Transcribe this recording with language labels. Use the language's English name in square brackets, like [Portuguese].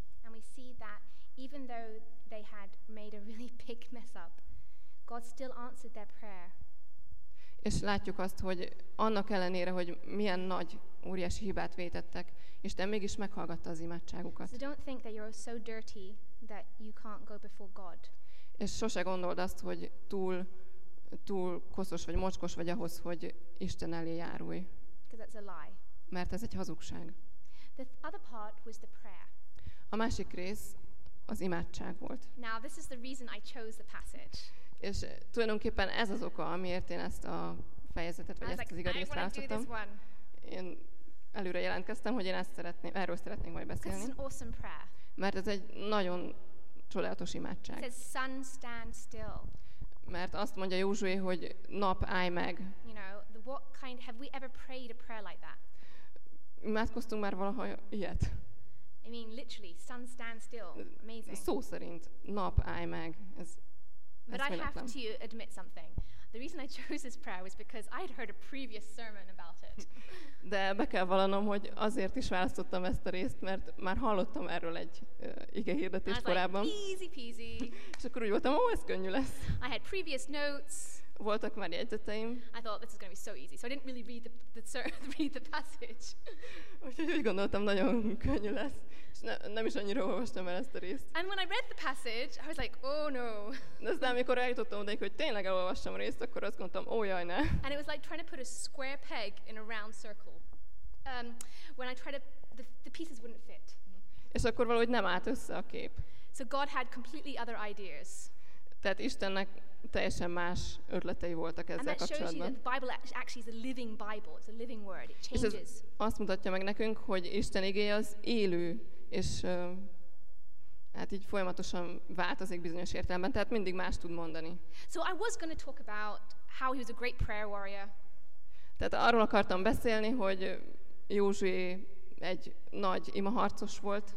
[English] And we see that even though they had made a really big mess up, God still answered their prayer. [Hungarian] És látjuk azt, hogy annak ellenére, hogy milyen nagy, óriási hibát vétettek, Isten mégis meghallgatta az imádságukat. [English] So don't think that you're so dirty that you can't go before God. [Hungarian] És sose gondold azt, hogy túl koszos vagy mocskos vagy ahhoz, hogy Isten elé járulj. [English] Because that's a lie. [Hungarian] Mert ez egy hazugság. [English] The other part was the prayer. [Hungarian] A másik rész az imádság volt. [English] Now this is the reason I chose the passage. [Hungarian] És tulajdonképpen ez az oka, amiért én ezt a fejezetet, vagy ezt [English] like, [Hungarian] az igazítást választottam. Én előre jelentkeztem, hogy én ezt szeretném, erről szeretnénk majd beszélni. [English] It's an awesome prayer. [Hungarian] Mert ez egy nagyon csodálatos imádság. [English] It says, sun, stand still. [Hungarian] Mert azt mondja Józsué, hogy nap, állj meg. [English] You know, what kind, have we ever prayed a prayer like that? [Hungarian] Imádkoztunk már valaha ilyet. [English] I mean, literally, sun, stand still. Amazing. [Hungarian] Szó szerint, nap, állj meg. Ez [English] But I have to admit something. The reason I chose this prayer was because I had heard a previous sermon about it. [Hungarian] De be kell vallanom, hogy azért is választottam ezt a részt, mert már hallottam erről egy igehirdetést korábban. [English] Like, easy peasy. [Hungarian] És akkor úgy voltam, ez könnyű lesz. [English] I had previous notes. [Hungarian] Voltak már jegyzeteim. [English] I thought this is going to be so easy, so I didn't really read the passage. [Hungarian] Úgyhogy úgy gondoltam, nagyon könnyű lesz. Nem is annyira olvastam el ezt a részt. [English] And when I read the passage, I was like, oh no. [Hungarian] De aztán, amikor eljutottam odáig, hogy tényleg elolvastam a részt, akkor azt gondoltam, oh jaj, ne. [English] And it was like trying to put a square peg in a round circle. When I tried to, the pieces wouldn't fit. [Hungarian] És akkor valahogy nem állt össze a kép. [English] So God had completely other ideas. [Hungarian] Tehát Istennek teljesen más ötletei voltak ezzel kapcsolatban. [English] And that shows you that the Bible actually is a living Bible. It's a living word. It changes. [Hungarian] És azt mutatja meg nekünk, hogy Isten igéje az élő, és hát így folyamatosan változik bizonyos értelemben, tehát mindig más tud mondani. [English] So I was going to talk about how he was a great prayer warrior. [Hungarian] Tehát arról akartam beszélni, hogy Józsué egy nagy imaharcos volt.